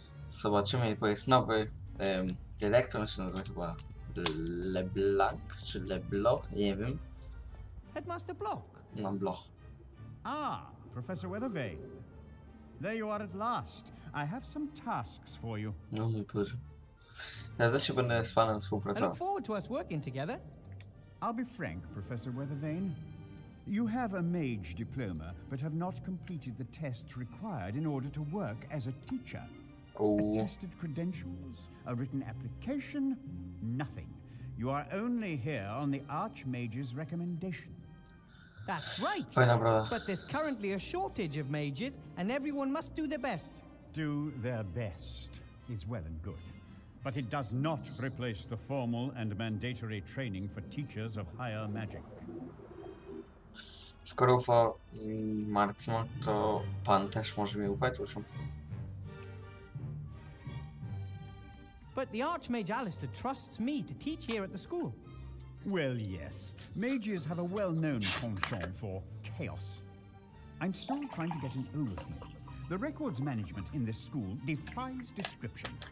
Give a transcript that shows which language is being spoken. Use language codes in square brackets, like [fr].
[pl] Zobaczymy, bo jest nowy dyrektor, on się nazywa chyba LeBlanc, czy LeBloch, nie wiem. [en] Headmaster Block. [pl] Mam Bloch. [en] Ah, Professor Weathervane. There you are at last. I have some tasks for you. [pl] No, mój Boże. Ja też się będę z panem współpracował. [en] I look forward to us working together. I'll be frank, Professor Weathervane. You have a mage diploma, but have not completed the tests required in order to work as a teacher. Attested credentials, a written application, nothing. You are only here on the Archmage's recommendation. That's right. [pl] Fajna broda. [en] But there's currently a shortage of mages, and everyone must do their best. Do their best is well and good, but it does not replace the formal and mandatory training for teachers of higher magic. [pl] Skoro ufa Marcimo, to pan też może mi ufać, proszę. [en] But the Archmage Alistair trusts me to teach here at the school. Well, yes. Mages have a well-known penchant for chaos. I'm still trying to get an overview. The records management in this school defies description.